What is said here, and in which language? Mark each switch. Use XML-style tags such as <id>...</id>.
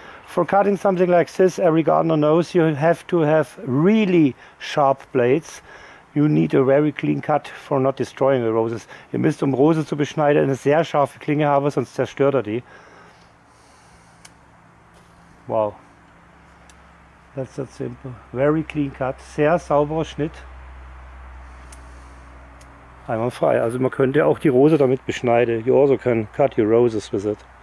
<en>For cutting something like this, every gardener knows you have to have really sharp blades. You need a very clean cut for not destroying the roses.</en> <de>Ihr müsst, um Rose zu beschneiden, eine sehr scharfe Klinge haben, sonst zerstört er die.</de> <en>Wow. That's that simple. Very clean cut.</en> <de>Sehr sauberer Schnitt. Einwandfrei. Also man könnte auch die Rose damit beschneiden.</de> <en>You also can cut your roses with it.</en>